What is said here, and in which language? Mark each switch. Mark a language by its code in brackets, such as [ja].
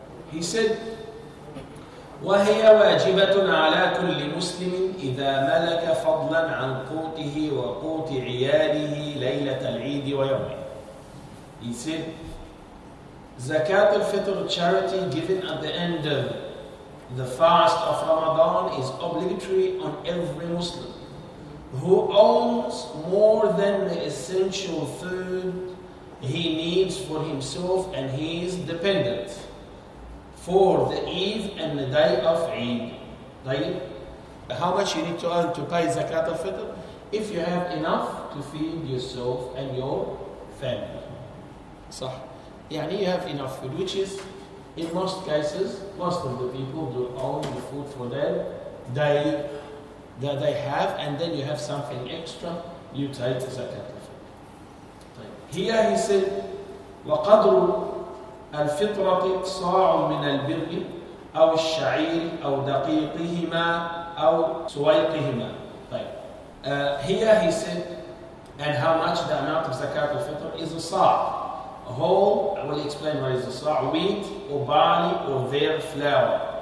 [en] He said, [ar] وهي واجبة على كل مسلم إذا ملك فضلا عن قوته وقوت عياله ليلة العيد ويومه. [en] He said, Zakat al-Fitr, charity given at the end of the fast of Ramadan, is obligatory on every Muslim who owns more than the essential food he needs for himself and his dependents for the eve and the day of Eid. How much you need to earn to pay Zakat al-Fitr? If you have enough to feed yourself and your family. [ar] صح. [en] يعني you have enough food, which is, in most cases, most of the people do own the food for their day that they have, and then you have something extra, you take the Zakat al-Fitr. Here he said, [ar] وَقَدْرُ الفطرة صاع من البر أو الشعير أو دقيقهما أو سويقهما. طيب. [en] Here he said, and how much the amount of zakat al-fitr is a sa'. Whole, I will explain what is a sa'. Wheat or barley or their flour.